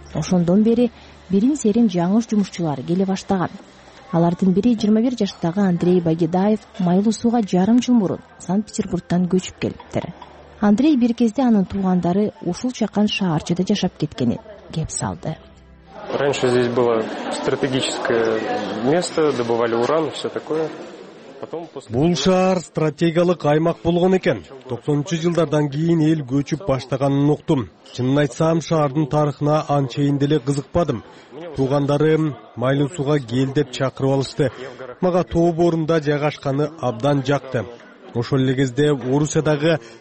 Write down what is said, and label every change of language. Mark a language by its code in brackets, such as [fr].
[ky] Ошондон бери бирин серин жаңы жумушчулар келе баштаган. Алардын бири 21 жаштагы Андрей Багидаев майлуу сууга жарым жыл мурун Санкт-Петербургтан көчүп келиптир. Андрей бир кезде анын туугандары ушул чакан шаарчада жашап кеткенин кеп салды. [ru] Раньше здесь было стратегическое место, добывали уран и все такое. [ky] Бул шаар стратегиялык аймак болгон экен. 90-жылдардан кийин эл көчүп баштаганын уктум. Чынын айтсам, шаардын тарыхына анчейин деле кызыкпадым. Туугандарым майлуу сууга кел деп чакырып алышты. Мага тоо боорунда жайгашканы абдан жакты. Ошол эле кезде Орусиядагы